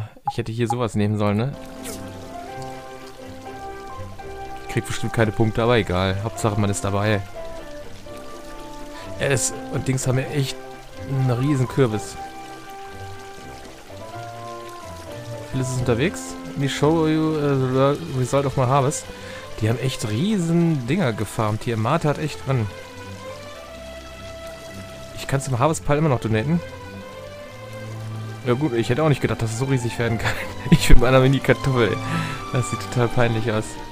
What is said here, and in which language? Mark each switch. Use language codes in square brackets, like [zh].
[de] Ich hätte hier sowas nehmen sollen, ne? Ich krieg bestimmt keine Punkte, aber egal. Hauptsache, man ist dabei. Ja, das und Dings haben ja echt einen riesen Kürbis. Phyllis ist unterwegs. [en] Let me show you the result of my harvest. [de] Die haben echt riesen Dinger gefarmt hier. Marta hat echt drin. Ich kann zum Harvest-Pile immer noch donaten. Ja gut, ich hätte auch nicht gedacht, dass es so riesig werden kann. Ich bin bei einer Mini-Kartoffel. Das sieht total peinlich aus.